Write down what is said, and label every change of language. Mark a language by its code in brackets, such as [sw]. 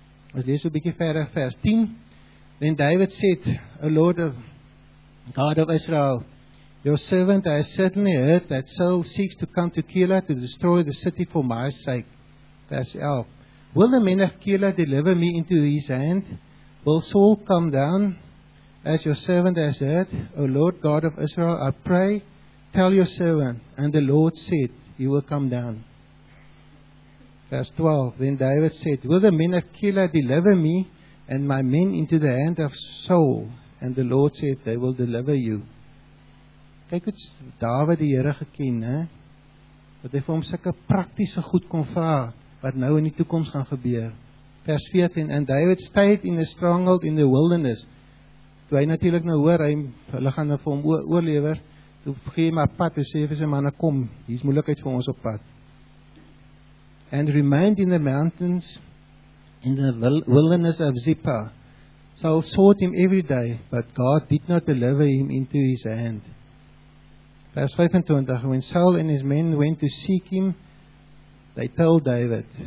[af] Ons lees so 'n bietjie verder, vers 10. [en] Then David said, O Lord of God of Israel, Your servant has certainly heard that Saul seeks to come to Keilah to destroy the city for my sake. Verse 11. Will the men of Keilah deliver me into his hand? Will Saul come down as your servant has heard? O Lord God of Israel, I pray, tell your servant. And the Lord said, He will come down. Verse 12. Then David said, Will the men of Keilah deliver me and my men into the hand of Saul? And the Lord said, They will deliver you. [af] Kyk hoe Dawid die Here geken, he, dat hy vir hom sulke praktiese goed kon vra, wat nou in die toekoms gaan gebeur. Vers 14, [en] And David stayed in a stronghold in the wilderness. [af] Toe hy natuurlik nou hoor, hulle gaan vir hom oorlewer, toe gee hy my pad, toe sê vir sy manne, kom, hier is moeilikheid vir ons op pad. [en] And remained in the mountains, in the wilderness of Zippah. Saul sought him every day, but God did not deliver him into his hand. [af] Vers 25, [en] when Saul and his men went to seek him, they told David.